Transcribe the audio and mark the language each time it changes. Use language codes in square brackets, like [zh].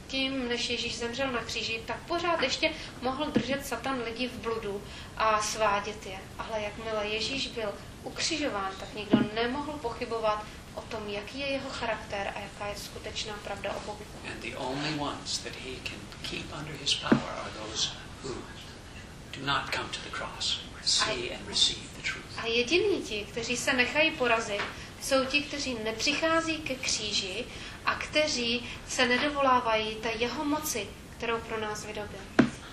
[cs] Tím, než Ježíš zemřel na kříži, tak pořád ještě mohl držet Satan lidi v bludu a svádět je, ale jakmile Ježíš byl ukřižován, tak nikdo nemohl pochybovat o tom, jaký je jeho charakter a jaká je skutečná pravda o Bohu. [en] And the only ones that he can keep under his power are those who do not come to the cross, see and receive the truth. [cs] A jediní ti, kteří se nechají porazit, jsou ti, kteří nepřichází ke kříži a kteří se nedovolávají té jeho moci, kterou pro nás vydobil.